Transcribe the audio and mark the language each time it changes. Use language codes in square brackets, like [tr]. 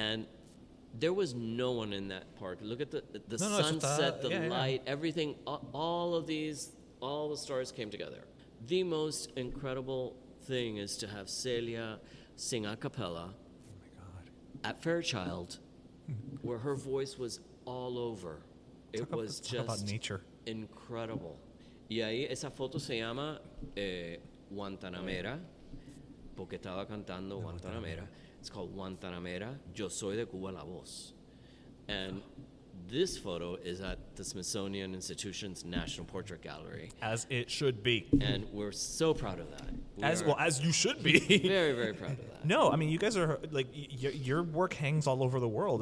[en] And there was no one in that park. Look at the sunset, the light, everything. All of these, all the stars came together. The most incredible thing is to have Celia sing a cappella at Fairchild, where her voice was all over. It talk was about, just talk about nature. Incredible. [es] Y ahí esa foto se llama Guantanamera, porque estaba cantando Guantanamera. [en] It's called Guantanamera, Yo Soy de Cuba La Voz. And this photo is at the Smithsonian Institution's National Portrait Gallery. As it should be. And we're so proud of that. As you should be. Very, very proud of that. No, I mean, you guys are, like, your work hangs all over the world.